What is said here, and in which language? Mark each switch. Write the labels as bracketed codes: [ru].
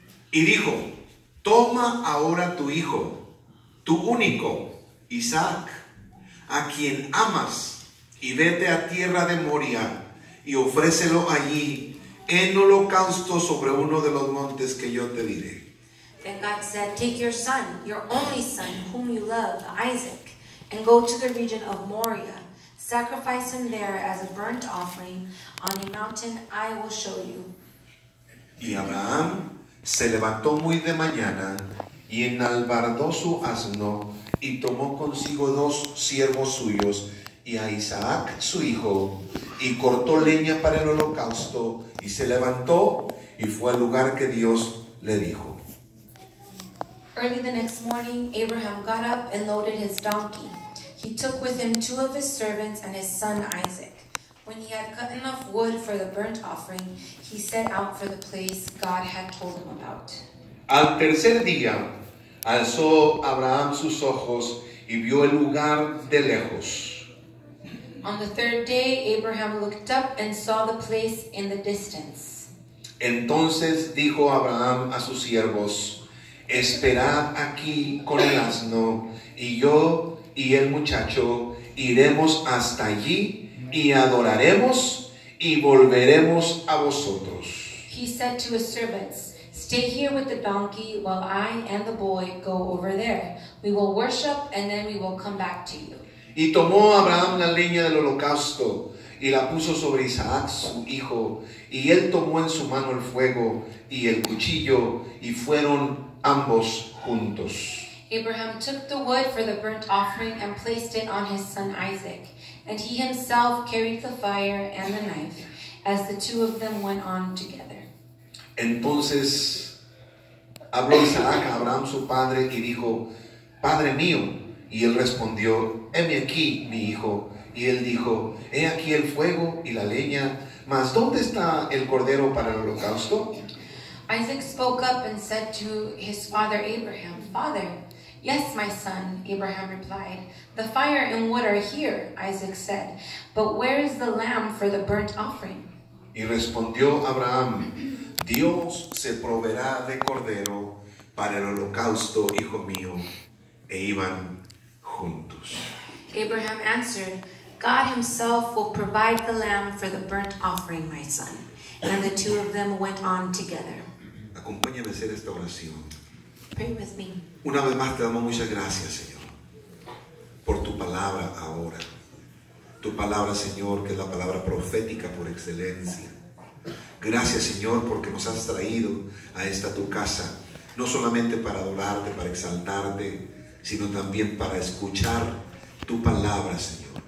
[es] Y dijo: Toma ahora tu hijo, tu único, Isaac, a quien amas, y vete a tierra de Moria, y ofrécelo allí en holocausto sobre uno de los montes que yo te diré. [en] Then God said, Take your son, your only son, whom you love, Isaac, and go to the region of Moria. Sacrifice him there as a burnt offering on a mountain I will show you. [es] Y Abraham se levantó muy de mañana y enalbardó su asno y tomó consigo dos siervos suyos y a Isaac su hijo y cortó leña para el holocausto y se levantó y fue al lugar que Dios le dijo. [en] Early the next morning, Abraham got up and loaded his donkey. He took with him two of his servants and his son Isaac. When he had cut enough wood for the burnt offering, he set out for the place God had told him about. [es] Al tercer día, alzó Abraham sus ojos y vio el lugar de lejos. [en] On the third day, Abraham looked up and saw the place in the distance. [es] Entonces dijo Abraham a sus siervos, Esperad aquí con el asno y yo y el muchacho iremos hasta allí y adoraremos y volveremos a vosotros. [en] He said to his servants, Stay here with the donkey while I and the boy go over there. We will worship and then we will come back to you. [es] Y tomó Abraham la leña del holocausto y la puso sobre Isaac su hijo y él tomó en su mano el fuego y el cuchillo y fueron ambos juntos. [en] Abraham took the wood for the burnt offering and placed it on his son Isaac, and he himself carried the fire and the knife as the two of them went on together. [es] Entonces habló Isaac a Abraham su padre y dijo, Padre mío, y él respondió, Heme aquí, mi hijo, y él dijo, He aquí el fuego y la leña, mas ¿dónde está el cordero para el holocausto? [en] Isaac spoke up and said to his father Abraham, Father, Yes, my son, Abraham replied. The fire and wood are here, Isaac said. But where is the lamb for the burnt offering? [es] Y respondió Abraham, Dios se proveerá de cordero para el holocausto, hijo mío. E iban juntos. [en] Abraham answered, God himself will provide the lamb for the burnt offering, my son. And the two of them went on together. [es] Acompáñame a hacer esta oración. [en] Pray with me. [es] Una vez más te damos muchas gracias, Señor, por tu palabra. palabra ahora. Tu palabra, Señor, que es la palabra profética por excelencia. Gracias, Señor, porque nos has traído a esta tu casa, no solamente para adorarte, para exaltarte, sino también para escuchar tu palabra, Señor.